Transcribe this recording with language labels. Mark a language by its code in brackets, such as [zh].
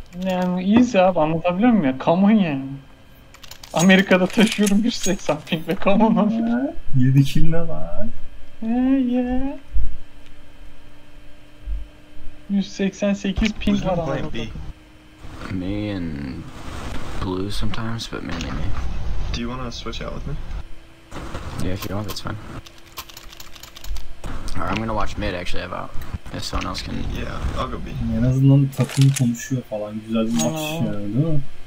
[tr] Yani iyiyiz abi, anlatabiliyor muyum ya? [en] Come on [tr] yani. Amerika'da taşıyorum 180 ping ve [en] come on [tr] abi. 7 kill ne var? [en] He yeah. [tr] 188 ping var anlatabiliyor. [en] Me and Blue sometimes, but mainly me. Do you wanna switch out with me? Yeah, if you want, that's fine. Alright, I'm gonna watch mid actually about. If someone else can. Yeah, I'll go be. [tr] En azından takım konuşuyor falan, güzel bir maç yani, değil mi?